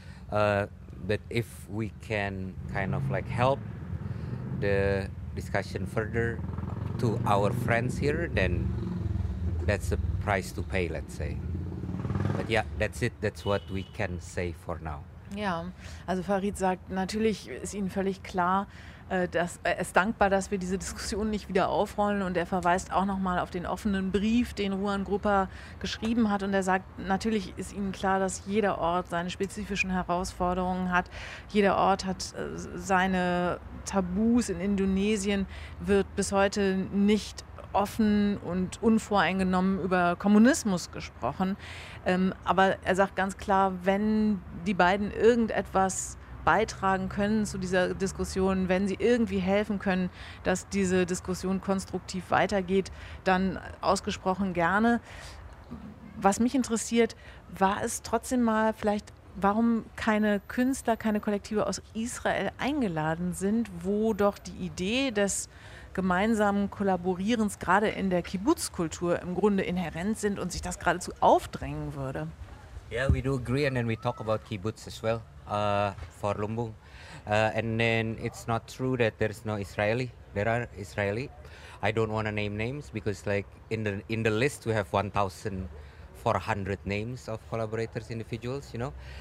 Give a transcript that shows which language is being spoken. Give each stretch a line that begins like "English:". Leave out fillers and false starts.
English: But if we can kind of like help the discussion further to our friends here, then that's the price to pay, let's say. But yeah, that's it. That's what we can say for now.
German: Ja, also Farid sagt, natürlich ist Ihnen völlig klar, dass er ist dankbar, dass wir diese Diskussion nicht wieder aufrollen. Und er verweist auch nochmal auf den offenen Brief, den Ruhan Grupa geschrieben hat. Und er sagt, natürlich ist Ihnen klar, dass jeder Ort seine spezifischen Herausforderungen hat. Jeder Ort hat seine Tabus. In Indonesien wird bis heute nicht offen und unvoreingenommen über Kommunismus gesprochen. Aber er sagt ganz klar, wenn die beiden irgendetwas beitragen können zu dieser Diskussion, wenn sie irgendwie helfen können, dass diese Diskussion konstruktiv weitergeht, dann ausgesprochen gerne. Was mich interessiert, war es trotzdem mal vielleicht, warum keine Künstler, keine Kollektive aus Israel eingeladen sind, wo doch die Idee des gemeinsamen Kollaborierens gerade in der Kibbutz-Kultur im Grunde inhärent sind und sich das geradezu aufdrängen würde.
English: Yeah, we do agree, and then we talk about kibbutz as well for Lumbung. And then it's not true that there's no Israeli. There are Israeli. I don't want to name names because, like, in the list we have 1,400 names of collaborators, individuals, you know.